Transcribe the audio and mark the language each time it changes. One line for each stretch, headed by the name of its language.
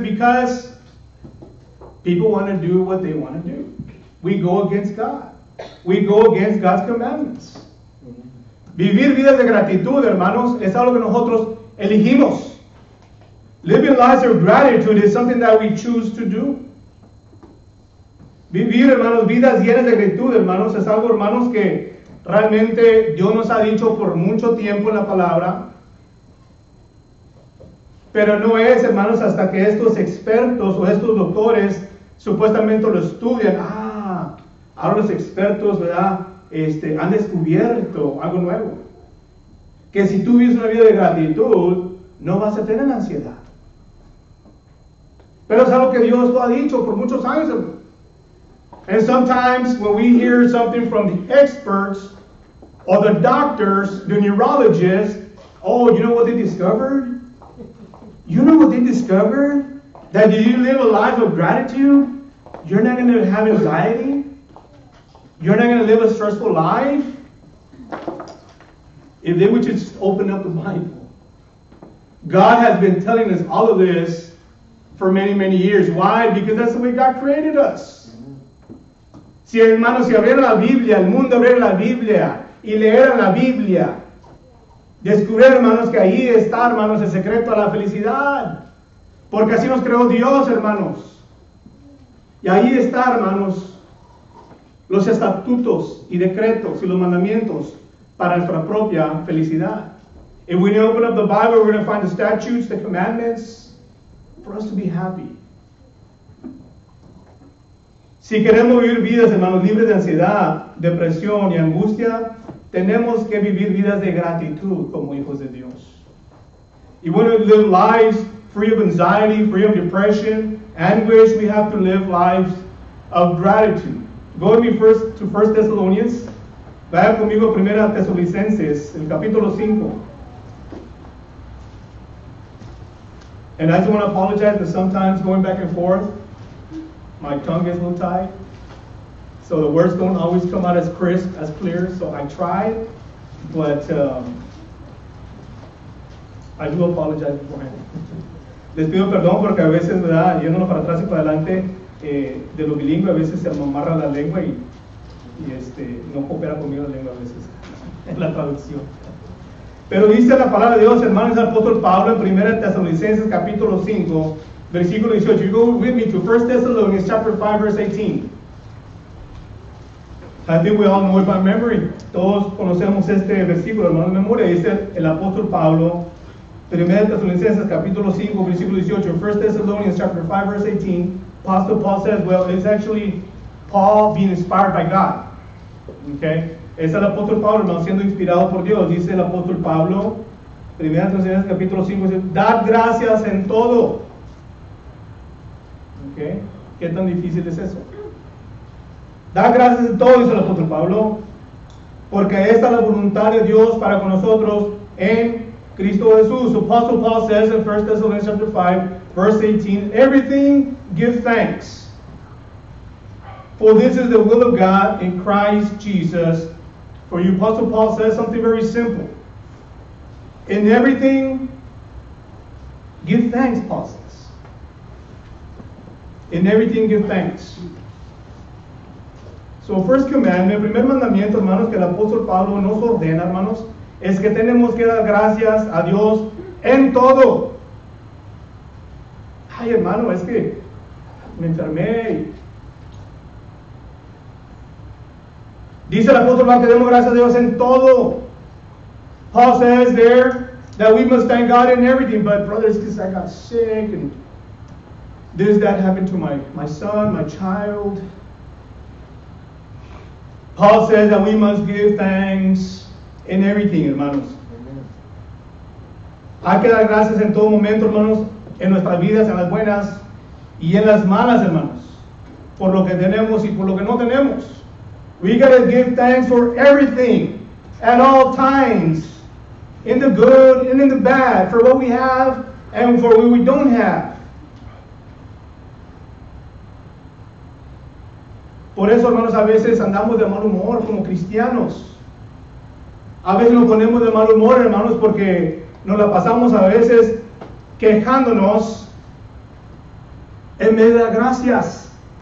English: Because people want to do what they want to do. We go against God. We go against God's commandments.
Spanish: Vivir vidas de gratitud, hermanos, es algo que nosotros elegimos.
English: Living lives of gratitude is something that we choose to do.
Spanish: Vivir, hermanos, vidas llenas de gratitud, hermanos, es algo, hermanos, que realmente Dios nos ha dicho por mucho tiempo en la palabra. Pero no es, hermanos, hasta que estos expertos o estos doctores supuestamente lo estudian. Ah, ahora los expertos, ¿verdad?, han descubierto algo nuevo. Que si tú vives una vida de gratitud, no vas a tener ansiedad. Pero es algo que Dios lo ha dicho por muchos años.
English: And sometimes when we hear something from the experts or the doctors, the neurologists, oh, you know what they discovered? You know what they discovered? That if you live a life of gratitude, you're not going to have anxiety. You're not going to live a stressful life. If they would just open up the Bible. God has been telling us all of this for many, many years. Why? Because that's the way God created us.
Spanish: Si hermanos, si abrieron la Biblia, el mundo abriera la Biblia y leeran la Biblia, descubrieron, hermanos, que ahí está, hermanos, el secreto a la felicidad. Porque así nos creó Dios, hermanos. Y ahí está, hermanos, los estatutos y decretos y los mandamientos para nuestra propia felicidad.
English: If we open up the Bible, we're going to find the statutes, the commandments for us to be happy.
Spanish: Si queremos vivir vidas, hermanos, libres de ansiedad, depresión y angustia, tenemos que vivir vidas de gratitud como hijos de Dios.
English: If we want to live lives free of anxiety, free of depression, anguish, we have to live lives of gratitude. Go with me first to 1 Thessalonians.
Spanish: Vaya conmigo a 1 Thessalonians, el capítulo 5.
English: And I just want to apologize that sometimes going back and forth, my tongue is a little tight, so the words don't always come out as crisp, as clear. So I try, but I do apologize beforehand.
Spanish: Les pido perdón porque a veces, ¿verdad?, yéndolo para atrás y para adelante, de lo bilingüe, a veces se amarra la lengua y no coopera conmigo la lengua a veces en la traducción. Pero dice la palabra de Dios, hermanos, el apóstol Pablo en 1 Tesalonicenses capítulo 5. Versículo
English: 18, you go with me to 1 Thessalonians chapter 5, verse 18. I think we all know it by memory.
Spanish: Todos conocemos este versículo, hermano, de memoria. Dice el apóstol Pablo, 1 Thessalonians capítulo 5, versículo 18.
English: 1 Thessalonians chapter 5, verse 18. Apostle Paul says, well, it's actually Paul being inspired by God. Okay?
Spanish: Es el apóstol Pablo, hermano, siendo inspirado por Dios. Dice el apóstol Pablo, 1 Tesalonicenses capítulo 5, dice, dad gracias en todo. ¿Okay? ¿Qué tan difícil es eso? Dad gracias en todo, dice el apóstol Pablo, porque esta es la voluntad de Dios para con nosotros en Cristo Jesús.
English: The apostle Paul says in 1 Thessalonians chapter 5, verse 18, everything give thanks, for this is the will of God in Christ Jesus. For you, Apostle Paul says something very simple. In everything, give thanks, Paul says. In everything, give thanks. So, first commandment,
Spanish: el primer mandamiento, hermanos, que el apóstol Pablo nos ordena, hermanos, es que tenemos que dar gracias a Dios en todo. Ay, hermano, es que me enfermé. Dice el apóstol Pablo que demos gracias a Dios en todo.
English: Paul says there that we must thank God in everything. But brothers, because I got sick and this, that happened to my son, my child. Paul says that we must give thanks in everything, hermanos. Amen.
Spanish: Hay que dar gracias en todo momento, hermanos, en nuestras vidas, en las buenas y en las malas, hermanos. Por lo que tenemos y por lo que no tenemos.
English: We gotta give thanks for everything, at all times, in the good and in the bad, for what we have and for what we don't have.
Spanish: Por eso, hermanos, a veces andamos de mal humor como cristianos. A veces nos ponemos de mal humor, hermanos, porque nos la pasamos a veces quejándonos en vez de dar gracias.